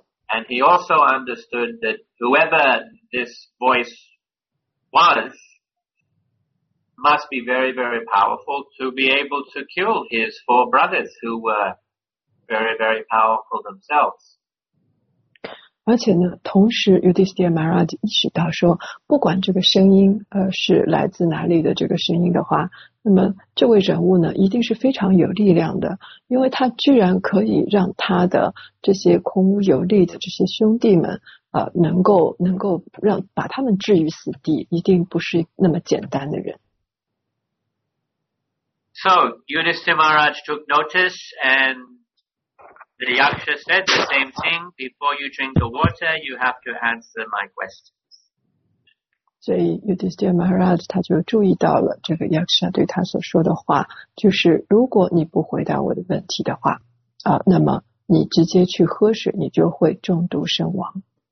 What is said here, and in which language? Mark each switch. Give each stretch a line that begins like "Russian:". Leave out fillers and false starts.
English: And he also understood that whoever this voice was,must be very, very powerful to be able to kill his four brothers who were very, very powerful themselves.
Chinese: 而且呢，同时 Yudhisthira Maharaj 意识到说，不管这个声音是来自哪里的这个声音的话，那么这位人物呢一定是非常有力量的，因为他居然可以让他的这些孔武有力的这些兄弟们能够让把他们置于死地，一定不是那么简单的人。
English: So Yudhisthira Maharaj took notice, and the Yaksha said the same thing. Before you drink the water, you have to answer my questions.
Chinese: 所以 Yudhisthira Maharaj 他就注意到了这个 Yaksha 对他所说的话，就是如果你不回答我的问题的话，那么你直接去喝水，你就会中毒身亡。